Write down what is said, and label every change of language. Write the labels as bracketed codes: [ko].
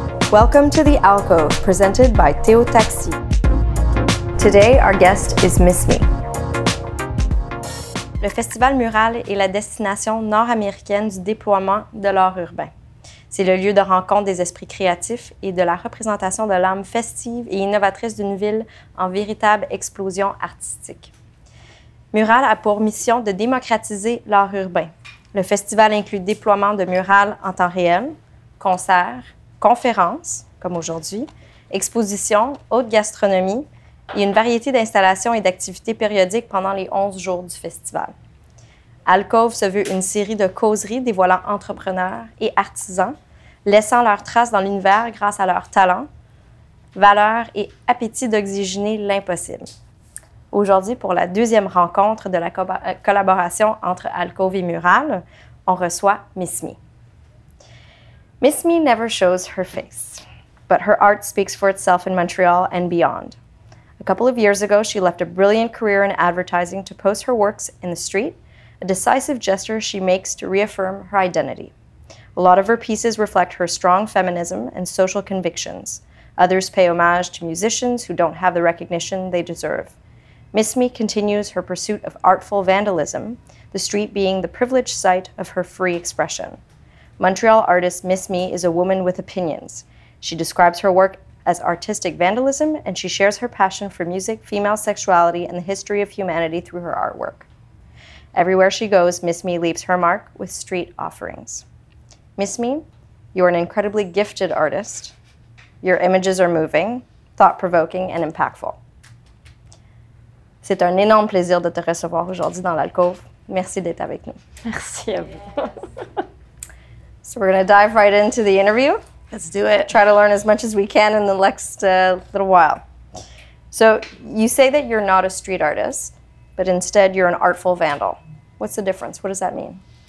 [en] Welcome to the alcove, presented by Théo Taxi. Today, our guest is Miss Me. [fr] Le Festival Mural est la destination nord-américaine du déploiement de l'art urbain. C'est le lieu de rencontre des esprits créatifs et de la représentation de l'âme festive et innovatrice d'une ville en véritable explosion artistique. Mural a pour mission de démocratiser l'art urbain. Le festival inclut déploiement de murales en temps réel, concerts, conférences, comme aujourd'hui, expositions, haute gastronomie et une variété d'installations et d'activités périodiques pendant les 11 jours du festival. Alcove se veut une série de causeries dévoilant entrepreneurs et artisans, laissant leurs traces dans l'univers grâce à leurs talents, valeurs et appétit d'oxygéner l'impossible. Aujourd'hui, pour la deuxième rencontre de la collaboration entre Alcove et Mural, on reçoit Miss Me. [en] Miss Me never shows her face, but her art speaks for itself in Montreal and beyond. A couple of years ago, she left a brilliant career in advertising to post her works in the street, a decisive gesture she makes to reaffirm her identity. A lot of her pieces reflect her strong feminism and social convictions. Others pay homage to musicians who don't have the recognition they deserve. Miss Me continues her pursuit of artful vandalism, the street being the privileged site of her free expression. Montreal artist Miss Me is a woman with opinions. She describes her work as artistic vandalism, and she shares her passion for music, female sexuality, and the history of humanity through her artwork. Everywhere she goes, Miss Me leaves her mark with street offerings. Miss Me, you are an incredibly gifted artist. Your images are moving, thought-provoking, and impactful. [fr] C'est un énorme plaisir de te recevoir aujourd'hui dans l'alcôve. Merci d'être avec nous. Merci à vous. [en] So we're going to dive right into the interview. Let's do it. Try to learn as much as we can in the next little while. So you say that you're not a street artist, but instead you're an artful vandal. What's the difference? What does that mean?